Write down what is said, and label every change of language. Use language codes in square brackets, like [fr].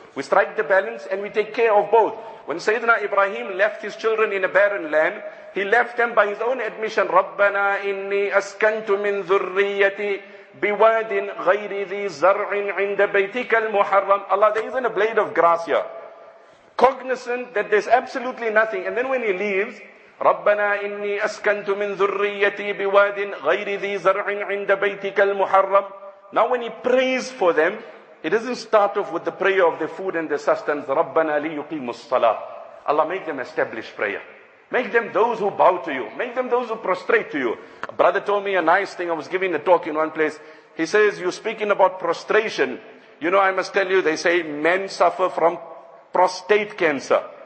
[en] We strike the balance and we take care of both. When Sayyidina Ibrahim left his children in a barren land, he left them by his own admission. [ar] رَبَّنَا إِنِّي أَسْكَنْتُ مِنْ ذُرِّيَّتِي بِوَادٍ غَيْرِ ذِي زَرْعٍ عِنْدَ بَيْتِكَ الْمُحَرَّمِ. [en] Allah, there isn't a blade of grass here. Cognizant that there's absolutely nothing. And then when he leaves, [ar] رَبَّنَا إِنِّي أَسْكَنْتُ مِنْ ذُرِّيَّتِي بِوَادٍ غَيْرِ ذِي زَرْعٍ عِنْدَ بَيْتِكَ الْمُحَرَّمِ. [en] Now when he prays for them, it doesn't start off with the prayer of the food and the sustenance. [ar] رَبَّنَا لِيُقِيمُ الصَّلَاةِ. [en] Allah, make them establish prayer. Make them those who bow to you. Make them those who prostrate to you. A brother told me a nice thing. I was giving a talk in one place. He says, you're speaking about prostration. You know, I must tell you, they say men suffer from prostate cancer.